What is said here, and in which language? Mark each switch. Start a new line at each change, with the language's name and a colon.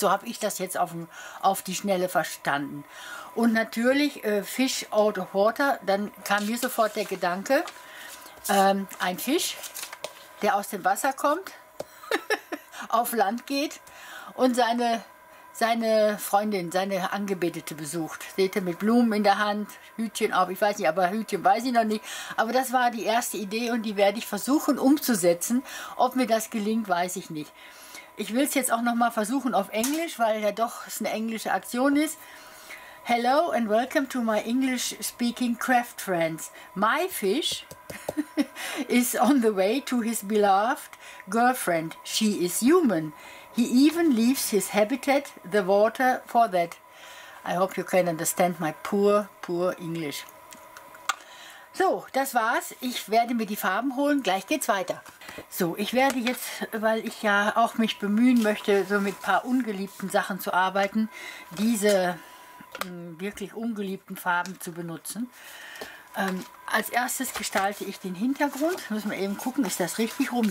German: So habe ich das jetzt auf die Schnelle verstanden. Und natürlich Fish out of water, dann kam mir sofort der Gedanke, ein Fisch, der aus dem Wasser kommt, auf Land geht und seine Freundin, seine Angebetete besucht. Seht ihr, mit Blumen in der Hand, Hütchen auf, ich weiß nicht, aber Hütchen weiß ich noch nicht. Aber das war die erste Idee und die werde ich versuchen umzusetzen. Ob mir das gelingt, weiß ich nicht. Ich will es jetzt auch nochmal versuchen auf Englisch, weil ja doch es eine englische Aktion ist.
English: Hello and welcome to my English-speaking craft friends. My fish is on the way to his beloved girlfriend. She is human. He even leaves his habitat, the water, for that. I hope you can understand my poor, poor English.
German: So, das war's. Ich werde mir die Farben holen. Gleich geht's weiter. So, ich werde jetzt, weil ich ja auch mich bemühen möchte, so mit ein paar ungeliebten Sachen zu arbeiten, diese wirklich ungeliebten Farben zu benutzen. Als erstes gestalte ich den Hintergrund. Müssen wir eben gucken, ist das richtig rum?